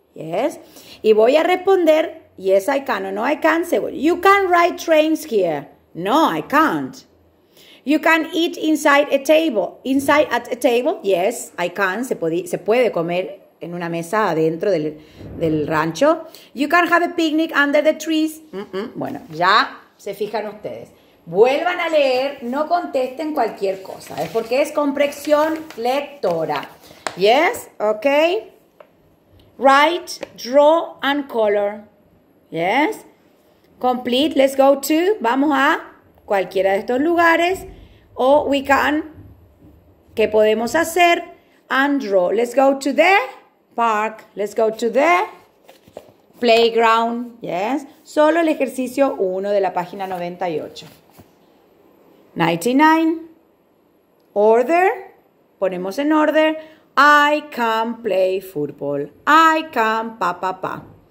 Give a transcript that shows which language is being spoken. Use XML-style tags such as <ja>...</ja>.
<en>Yes.</en> <es>Y voy a responder,</es> <en>yes, I can or no, I can. You can ride trains here. No, I can't. You can eat inside a table. Inside at a table. Yes, I can.</en> <es>Se puede comer en una mesa adentro del rancho.</es> <en>You can have a picnic under the trees.</en> <es>Mm-mm. Bueno, ya se fijan ustedes. Vuelvan a leer, no contesten cualquier cosa, es porque es comprensión lectora.</es> <en>Yes, okay. Write, draw and color. Yes. Complete, let's go to,</en> <es>vamos a cualquiera de estos lugares. O</es> <en>we can,</en> <es>¿qué podemos hacer?</es> <en>And draw. Let's go to the park, let's go to the playground. Yes.</en> <es>Solo el ejercicio 1 de la página 98.</es> <en>99, order,</en> <es>ponemos en order,</es> <en>I can play football, I can pa pa pa.</en>